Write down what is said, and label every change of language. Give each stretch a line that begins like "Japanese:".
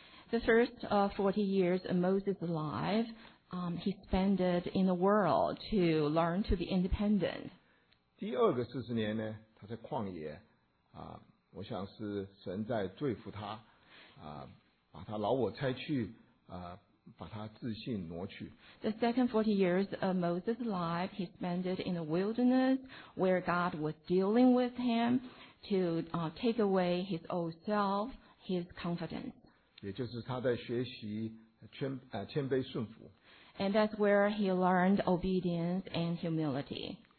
English: The first 40 years of Moses' life, he spent it in the world to learn to be independent.
Chinese: 第二个四十年呢他在旷野我想是神在对付他把他老我拆去把他自信挪去。
English: The second 40 years of Moses' life, he spent it in the wilderness where God was dealing with him to take away his old self, his confidence.
Chinese: 也就是他在学习谦卑顺服。
English: And that's where he learned obedience and humility.